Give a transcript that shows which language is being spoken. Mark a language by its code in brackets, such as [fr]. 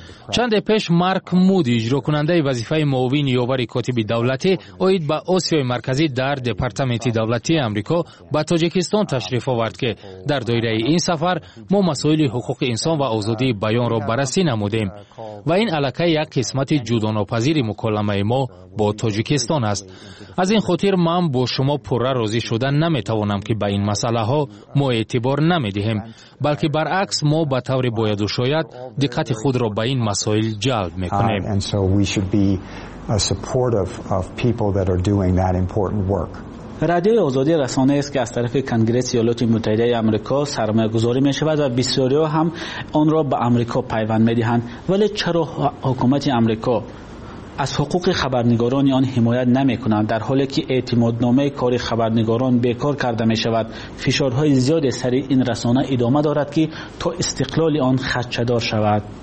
[fa] چند پیش مارک مودی اجرا کننده وظیفه معاون یاور کاتب دولتی اوید به آسیای مرکزی در دپارتمنت دولتی آمریکا به تاجیکستان تشریف آورد که در دایره این سفر ما مسائل حقوق انسان و آزادی بیان را بررسی نمودیم و این الکه یک قسمت جداناپذیر مکالمه ما با تاجیکستان است. از این خاطر من با شما پوره راضی شدن نمی توانم که به این مسئله ها ما اعتبار نمی دهیم، بلکه برعکس ما به طور باید و شاید دقت خود را به این مسائل جلب میکنیم. [en] And so we should be supportive of people that are doing that important work. [fa] رادیو آزادی رسانه است که از طرف کنگره ایالات متحده آمریکا سرمایه گذاری می شود و بسیاری هم آن را به آمریکا پیوند می دهند، ولی چرا حکومت آمریکا از حقوق خبرنگاران آن حمایت نمی کنند در حالی که اعتمادنامه کار خبرنگاران بیکار کرده می شود؟ فشارهای زیاد سر این رسانه ادامه دارد که تا استقلال آن خدشه‌دار شود.